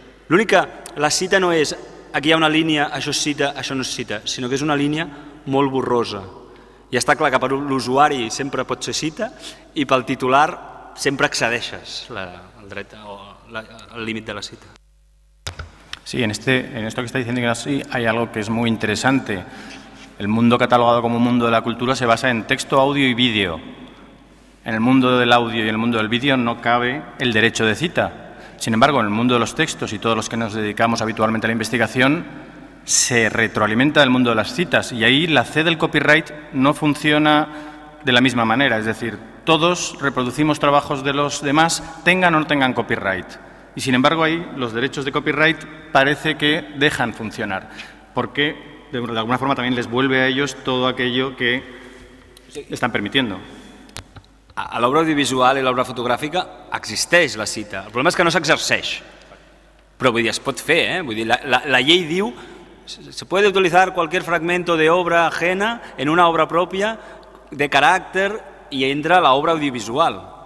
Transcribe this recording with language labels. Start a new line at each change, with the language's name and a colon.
Catalan: L'únic que la cita no és aquí hi ha una línia, això és cita, això no és cita, sinó que és una línia molt borrosa. I està clar que per l'usuari sempre pot ser cita i pel titular sempre accedeixes al dret o al límit de la cita.
Spanish: Sí, en esto que está diciendo Ignasi hay algo que es muy interesante. El mundo catalogado como mundo de la cultura se basa en texto, audio y vídeo. En el mundo del audio y en el mundo del vídeo no cabe el derecho de cita. Sin embargo, en el mundo de los textos y todos los que nos dedicamos habitualmente a la investigación, se retroalimenta del mundo de las citas y ahí la C del copyright no funciona de la misma manera. Es decir, todos reproducimos trabajos de los demás, tengan o no tengan copyright. Y sin embargo, ahí los derechos de copyright parece que dejan funcionar, porque de alguna forma también les vuelve a ellos todo aquello que están permitiendo.
Catalan: A l'obra audiovisual i l'obra fotogràfica existeix la cita. El problema és que no s'exerceix. Però vull dir, es pot fer. Vull dir, la llei diu
Spanish: se puede utilizar cualquier fragmento de obra ajena en una obra propia
Catalan: de caràcter i entra l'obra audiovisual.